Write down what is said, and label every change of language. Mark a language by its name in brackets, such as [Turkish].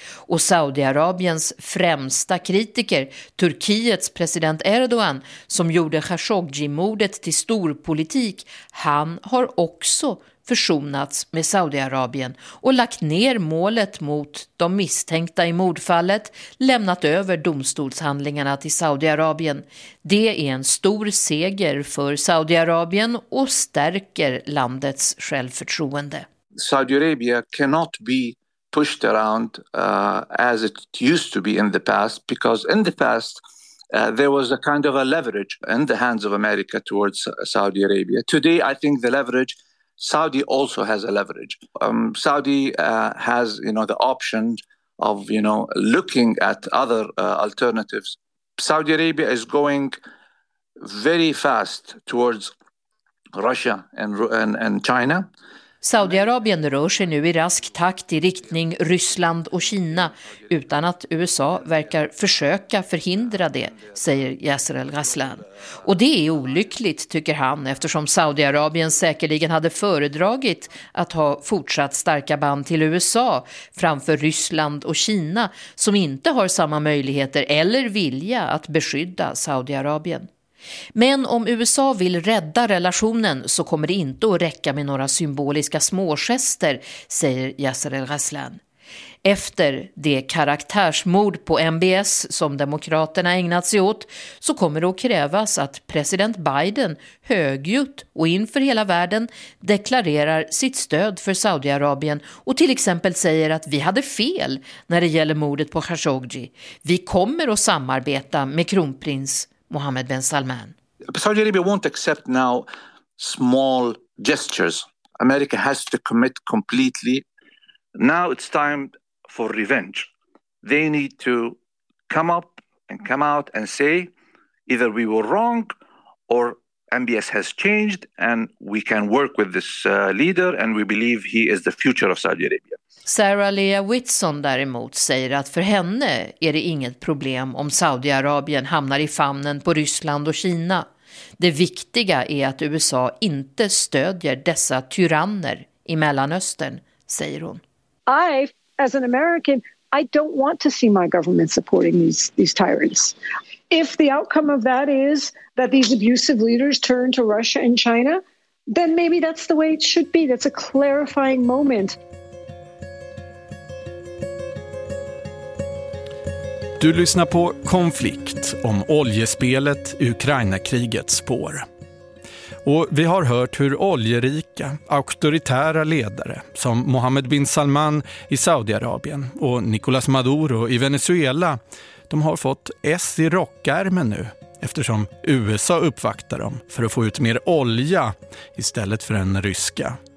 [Swedish] Och Saudiarabiens främsta kritiker, Turkiets president Erdogan, som gjorde Khashoggi-mordet till storpolitik, han har också försonats med Saudiarabien och lagt ner målet mot de misstänkta i mordfallet, lämnat över domstolshandlingarna till Saudiarabien. Det är en stor seger för Saudiarabien och stärker landets självförtroende. [English] Saudi Arabia cannot be pushed around as it used to be in the past, because in the past, there was a kind of a leverage in the hands of America towards Saudi Arabia. Today, I think the leverage, Saudi also has a leverage. Saudi has, you know, the option of, you know, looking at other alternatives. Saudi Arabia is going very fast towards Russia and China. [Swedish] Saudiarabien rör sig nu i rask takt i riktning Ryssland och Kina utan att USA verkar försöka förhindra det, säger Yasser al-Ghazlan. Och det är olyckligt, tycker han, eftersom Saudiarabien säkerligen hade föredragit att ha fortsatt starka band till USA framför Ryssland och Kina, som inte har samma möjligheter eller vilja att beskydda Saudiarabien. Men om USA vill rädda relationen så kommer det inte att räcka med några symboliska smågester, säger Yasser al-Ghazlan. Efter det karaktärsmord på MBS som demokraterna ägnat sig åt så kommer det att krävas att president Biden högljutt och inför hela världen deklarerar sitt stöd för Saudiarabien och till exempel säger att vi hade fel när det gäller mordet på Khashoggi. Vi kommer att samarbeta med kronprins Mohammed bin Salman. [English] Saudi Arabia won't accept now small gestures. America has to commit completely. Now it's time for revenge. They need to come up and come out and say either we were wrong or MBS has changed and we can work with this leader and we believe he is the future of Saudi Arabia. [Swedish] Sarah Leah Whitson däremot säger att för henne är det inget problem om Saudiarabien hamnar i famnen på Ryssland och Kina. Det viktiga är att USA inte stödjer dessa tyranner i Mellanöstern, säger hon. [English] I, as an American, I don't want to see my government supporting these tyrants. If the outcome of that is that these abusive leaders turn to Russia and China, then maybe that's the way it should be. That's a clarifying moment. [Swedish] Du lyssnar på Konflikt om oljespelet Ukraina-krigets spår. Och vi har hört hur oljerika, auktoritära ledare som Mohammed bin Salman i Saudiarabien och Nicolas Maduro i Venezuela, de har fått S i rockärmen nu eftersom USA uppvaktar dem för att få ut mer olja istället för den ryska.